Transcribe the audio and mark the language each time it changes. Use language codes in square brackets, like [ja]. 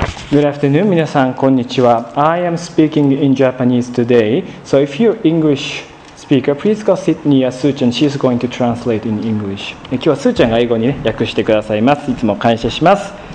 [en] Good afternoon, [ja] 皆さん、こんにちは。 [en] I am speaking in Japanese today. So if you're an English speaker, please go sit near Su-chan. She's going to translate in English. [ja] 今日はSu-chanが英語に、ね、訳してくださいます。いつも感謝します。